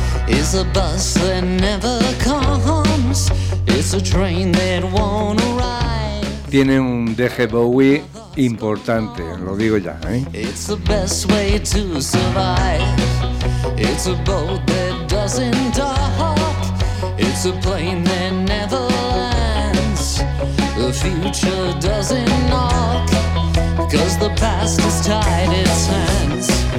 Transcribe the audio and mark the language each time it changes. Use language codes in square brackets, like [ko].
[en] It's a bus that never comes. It's a train that won't arrive. [es] Tiene un deje Bowie importante, lo digo ya, ¿eh? [en] It's the best way to survive. It's a boat that doesn't dock. It's a plane that never lands. The future doesn't knock, 'cause the past has tied its hands.